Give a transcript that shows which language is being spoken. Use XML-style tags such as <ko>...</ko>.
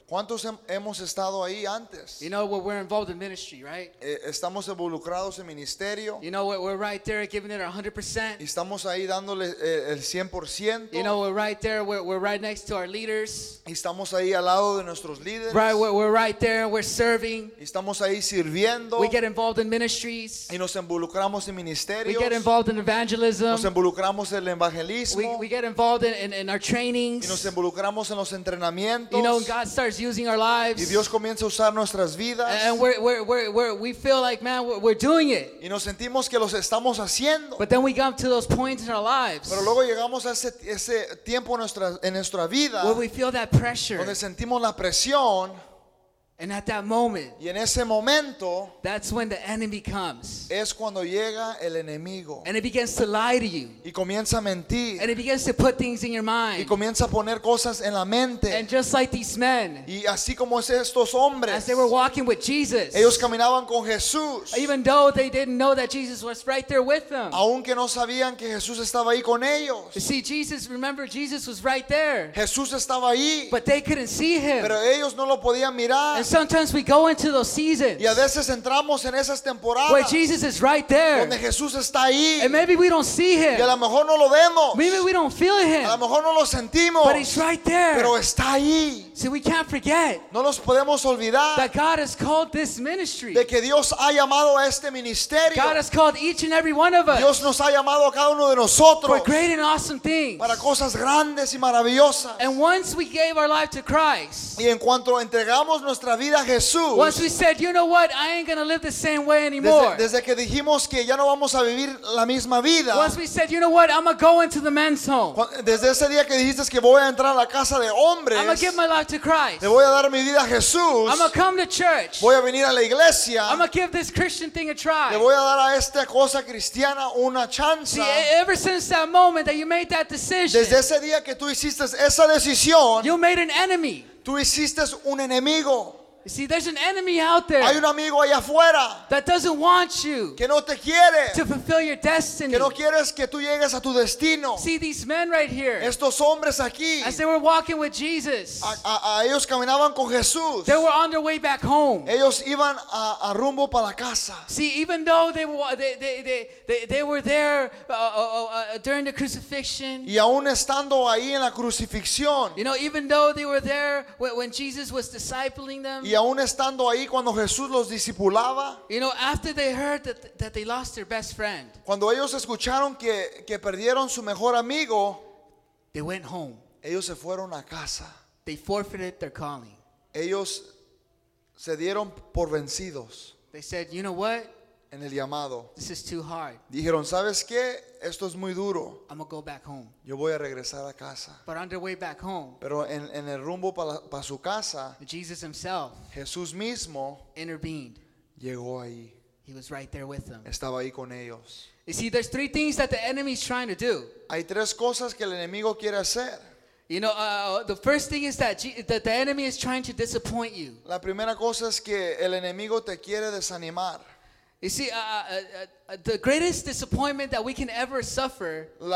<es>¿Cuántos hemos estado ahí antes?</es> <en>You know, we're involved in ministry, right?</en> <es>Estamos involucrados en ministerio.</es> <en>You know, we're right there giving it 100%.</en> <es>Y estamos ahí dándole el 100%.</es> <en>You know, we're right there, we're right next to our leaders.</en> <es>Y estamos ahí al lado de nuestros líderes.</es> <en>Right, we're right there, we're serving.</en> <es>Y estamos ahí sirviendo.</es> <en>We get involved in ministries.</en> <es>Y nos involucramos en ministerios.</es> <en>We get involved in evangelism.</en> <es>Nos involucramos en el evangelismo.</es> <en>We get involved in our trainings.</en> <es>Y nos involucramos en los entrenamientos.</es> <en>You know, God starts using our lives.</en> <es>Y Dios comienza a usar nuestras vidas.</es> <en>And we feel like, man, we're doing it.</en> <es>Y nos sentimos que los estamos haciendo.</es> <en>But then we come to those points in our lives.</en> <es>Pero luego llegamos a ese tiempo en nuestra vida.</es> <en>Where we feel that pressure.</en> <es>Donde sentimos la presión.</es> <en>And at that moment.</en> <es>Y en ese momento.</es> <en>That's when the enemy comes.</en> <es>Es cuando llega el enemigo.</es> <en>And it begins to lie to you.</en> <es>Y comienza a mentir.</es> <en>And it begins to put things in your mind.</en> <es>Y comienza a poner cosas en la mente.</es> <en>And just like these men.</en> <es>Y así como es estos hombres.</es> <en>As they were walking with Jesus.</en> <es>Ellos caminaban con Jesús.</es> <en>Even though they didn't know that Jesus was right there with them.</en> <es>Aunque no sabían que Jesús estaba ahí con ellos.</es> <en>See, Jesus, remember, Jesus was right there.</en> <es>Jesús estaba ahí.</es> <en>But they couldn't see him.</en> <es>Pero ellos no lo podían mirar.</es> <en>Sometimes we go into those seasons.</en> <es>Y a veces entramos en esas temporadas.</es> <en>Where Jesus is right there.</en> <es>Donde Jesús está ahí.</es> <en>And maybe we don't see him.</en> <es>Y a lo mejor no lo vemos.</es> <en>Maybe we don't feel him.</en> <es>A lo mejor no lo sentimos.</es> <en>But he's right there.</en> <es>Pero está ahí.</es> <en>See, we can't forget.</en> <es>No nos podemos olvidar.</es> <en>That God has called this ministry.</en> <es>De que Dios ha llamado a este ministerio.</es> <en>God has called each and every one of us.</en> <es>Dios nos ha llamado a cada uno de nosotros.</es> <en>For great and awesome things.</en> <es>Para cosas grandes y maravillosas.</es> <en>And once we gave our life to Christ.</en> <es>Y en cuanto entregamos nuestra vida a Jesús.</es> <en>Once we said, you know what, I ain't gonna live the same way anymore.</en> <es>Desde que dijimos que ya no vamos a vivir la misma vida.</es> <en>Once we said, you know what, I'm gonna go into the men's home.</en> <es>Desde ese día que dijiste que voy a entrar a la casa de hombres.</es> <en>I'm gonna give my life to Christ.</en> <es>Le voy a dar mi vida a Jesús.</es> <en>I'm gonna come to church.</en> <es>Voy a venir a la iglesia.</es> <en>I'm gonna give this Christian thing a try.</en> <es>Le voy a dar a esta cosa cristiana una chance.</es> <en>See, ever since that moment that you made that decision.</en> <es>Desde ese día que tú hiciste esa decisión.</es> <en>You made an enemy.</en> <es>Tú hiciste un enemigo.</es> <en>You see, there's an enemy out there.</en> <es>Hay un amigo allá afuera.</es> <en>That doesn't want you.</en> <es>Que no te quiere.</es> <en>To fulfill your destiny.</en> <es>Que no quieres que tú llegues a tu destino.</es> <en>See these men right here.</en> <es>Estos hombres aquí.</es> <en>As they were walking with Jesus.</en> <es>A ellos caminaban con Jesús.</es> <en>They were on their way back home.</en> <es>Ellos iban a rumbo para la casa.</es> <en>See, even though they were there during the crucifixion.</en> <es>Y aún estando ahí en la crucifixión.</es> <en>You know, even though they were there when Jesus was discipling them.</en> <es>Y aún estando ahí cuando Jesús los discipulaba.</es> <en>You know, after they heard that they lost their best friend.</en> <es>Cuando ellos escucharon que perdieron su mejor amigo.</es> <en>They went home.</en> <es>Ellos se fueron a casa.</es> <en>They forfeited their calling.</en> <es>Ellos se dieron por vencidos.</es> <en>They said, you know what?</en> <es>En el llamado.</es> <en>This is too hard.</en> <es>Dijeron, ¿sabes qué? Esto es muy duro.</es> <en>I'm gonna go back home.</en> <es>Yo voy a regresar a casa.</es> <en>But on their way back home.</en> <es>Pero en el rumbo para su casa.</es> <en>Jesus himself.</en> <es>Jesús mismo.</es> <en>Intervened.</en> <es>Llegó ahí.</es> <en>He was right there with them.</en> <es>Estaba ahí con ellos.</es> <en>You see, there's three things that the enemy is trying to do.</en> <es>Hay tres cosas que el enemigo quiere hacer.</es> <en>You know, the first thing is that the enemy is trying to disappoint you.</en> <es>La primera cosa es que el enemigo te quiere desanimar.</es> <en>You see, the greatest disappointment that we can ever suffer.</en>